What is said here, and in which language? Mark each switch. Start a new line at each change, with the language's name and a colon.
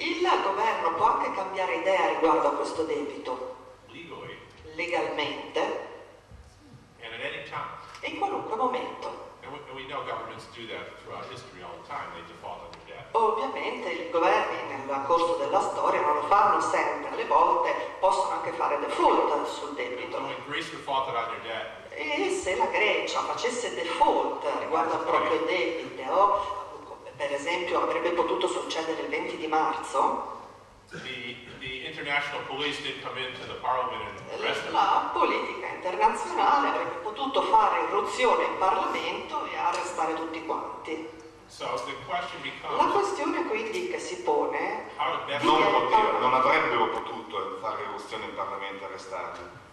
Italian: Il governo può anche cambiare idea riguardo a questo debito. Legalmente
English: and at any time.
Italian: E in qualunque momento.
English: We know governments do that throughout history all the time. They default on their debt.
Italian: Ovviamente i governi nel corso della storia non lo fanno sempre. Alle volte possono anche fare default sul debito.
English: When Greece defaulted on their debt.
Italian: E se la Grecia facesse default riguardo al proprio debito, per esempio avrebbe potuto succedere il 20 di marzo.
English: The international police didn't come into the parliament and arrest
Italian: la politica internazionale avrebbe potuto fare irruzione in Parlamento e arrestare tutti quanti.
English: So the question becomes,
Italian: la questione quindi che si pone non avrebbero potuto fare irruzione in Parlamento e arrestarli.